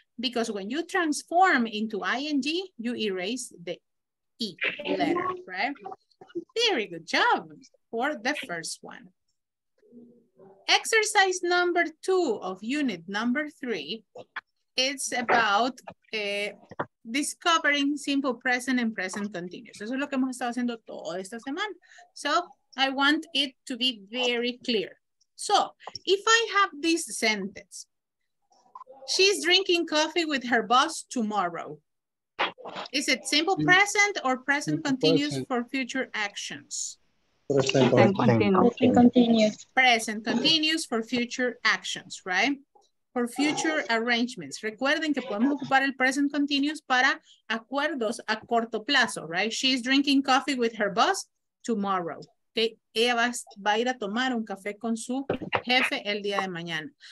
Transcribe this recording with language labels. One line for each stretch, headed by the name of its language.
English: Because when you transform into ing, you erase the e letter, right? Very good job for the first one. Exercise number two of unit number three, it's about discovering simple present and present continuous.
Spanish: Eso es lo que hemos estado haciendo toda esta semana.
English: So I want it to be very clear. So if I have this sentence, she's drinking coffee with her boss tomorrow. Is it simple present or present continuous for future actions? Present continuous for future actions, right? For future arrangements.
Spanish: Recuerden que podemos ocupar el present continuous para acuerdos a corto plazo, right?
English: She is drinking coffee with her boss tomorrow.
Spanish: Okay, ella va a ir a tomar un café con su jefe el día de mañana.